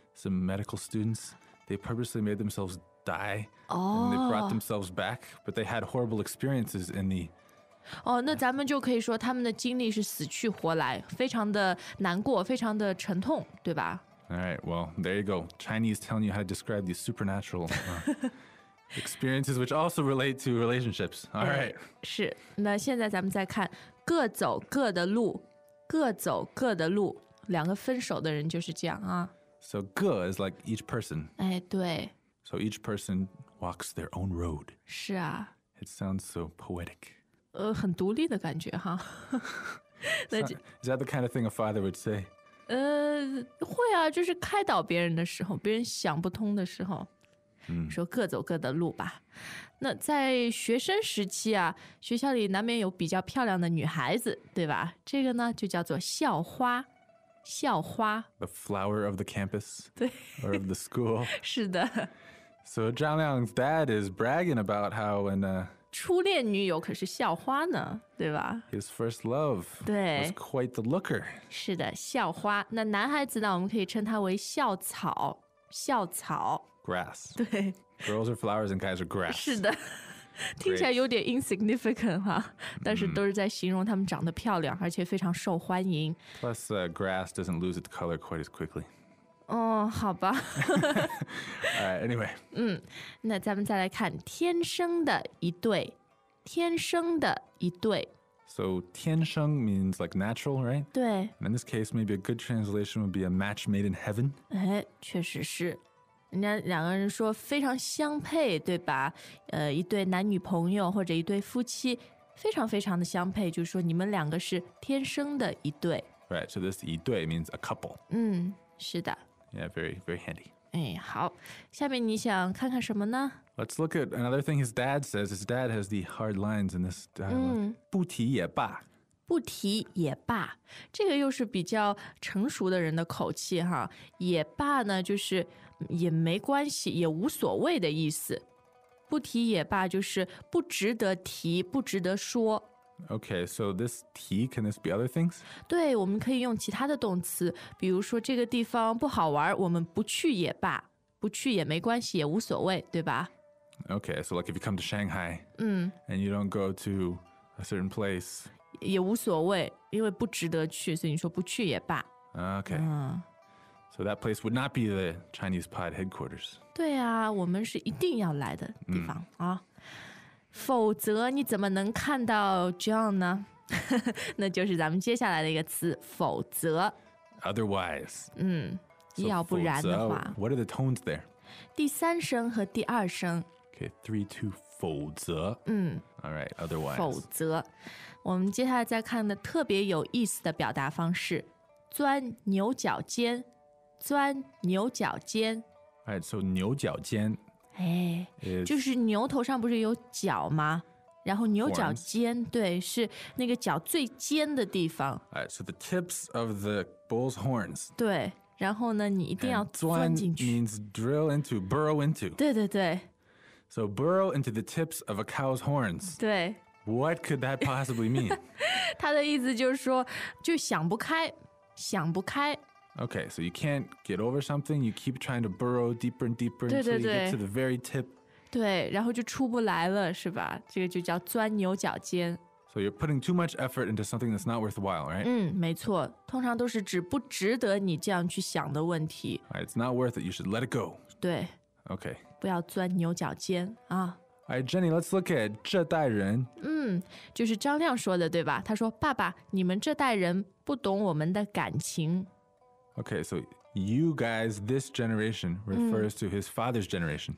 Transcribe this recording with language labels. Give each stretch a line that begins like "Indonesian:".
English: Some medical students, they purposely made themselves die. Oh. And they brought themselves back, but they had horrible experiences in the...
Chinese: 哦，那咱们就可以说他们的经历是死去活来，非常的难过，非常的沉痛，对吧
English: ？All right, well, there you go. Chinese telling you how to describe these supernatural experiences, which also relate to relationships. All right.
Chinese: 是，那现在咱们再看各走各的路，各走各的路，两个分手的人就是这样啊。
English: So, 各 is like each person.
Chinese: 哎，对。
English: So each person walks their own road.
Chinese: 是啊。
English: It sounds so poetic.
Chinese: 很独立的感觉哈
English: Is that the kind of thing a father would say?
Chinese: 会啊就是开导别人的时候别人想不通的时候、嗯、说各走各的路吧那在学生时期啊学校里难免有比较漂亮的女孩子对吧这个呢就叫做校花校花
English: The flower of the campus
Chinese: 对
English: Or of the school
Chinese: 是的
English: So Zhang Liang's dad is bragging about how when
Chinese: 初恋女友可是校花呢对吧
English: His first love
Chinese: 对
English: was quite the looker
Chinese: 是的校花那男孩子呢我们可以称他为校草校草
English: Grass
Chinese: 对
English: Girls are flowers and guys are grass
Chinese: 是的听起来有点 insignificant 哈但是都是在形容他们长得漂亮、mm. 而且非常受欢迎
English: Plus grass doesn't lose its color quite as quickly
Chinese: 哦好吧 Alright, anyway. 嗯，那咱们再来看天生的一对，天生的一对。
English: So, 天生 means like natural, right?
Chinese: 对。
English: In this case, maybe a good translation would be a match made in heaven.
Chinese: 哎，确实是。人家两个人说非常相配，对吧？一对男女朋友或者一对夫妻，非常非常的相配，就是说你们两个是天生的一对。
English: Right, so this 一对 means a couple.
Chinese: 嗯，是的。
English: Yeah, very, very handy.
Chinese: 哎，好，下面你想看看什么呢
English: ？Let's look at another thing his dad says. His dad has the hard lines in this dialogue.
Chinese: 不提也罢，不提也罢，这个又是比较成熟的人的口气哈。也罢呢，就是也没关系，也无所谓的意思。不提也罢，就是不值得提，不值得说。
English: Okay, so this 提 can this be other things?
Chinese: 对，我们可以用其他的动词，比如说这个地方不好玩，我们不去也罢，不去也没关系，也无所谓，对吧？
English: Okay, so like if you come to Shanghai, 嗯， and you don't go to a certain place,
Chinese: 也无所谓，因为不值得去，所以你说不去也罢。
English: Okay, so that place would not be the Chinese Pod headquarters.
Chinese: 对啊，我们是一定要来的地方啊。否则你怎么能看到 John 呢？那就是咱们接下来的一个词，否则。
English: Otherwise.
Chinese: 嗯，要不然的话。
English: What are the tones there?
Chinese: 第三声和第二声。
English: Okay, three, two, 否则。嗯。 All right, otherwise.
Chinese: 否则。我们接下来再看的特别有意思的表达方式，钻牛角尖，钻牛角尖。
English: All right, so 牛角尖。
Chinese: 哎，就是牛头上不是有角吗？然后牛角尖，
English: horns.
Chinese: 对，是那个角最尖的地方。
English: Right, so the tips of the bull's horns.
Chinese: 对，然后呢，你一定要钻进去。
English: Means drill into, burrow into.
Chinese: 对对对。
English: So burrow into the tips of a cow's horns.
Chinese: 对。
English: What could that possibly mean?
Chinese: 他的意思就是说，就想不开，想不开。
English: Okay, so you can't get over something, you keep trying to burrow deeper and deeper
Chinese: 对对对
English: until you get to the very tip.
Chinese: 对，然后就出不来了，是吧？这个就叫钻牛角尖。
English: So you're putting too much effort into something that's not worthwhile, right?
Chinese: 嗯，没错，通常都是指不值得你这样去想的问题。
English: All right, it's not worth it, you should let it go.
Chinese: 对。
English: Okay.
Chinese: 不要钻牛角尖啊。
English: All right, Jenny, let's look at 这代人。
Chinese: 嗯，就是张亮说的，对吧？他说，爸爸，你们这代人不懂我们的感情。
English: Okay, so you guys, this generation refers to his father's generation.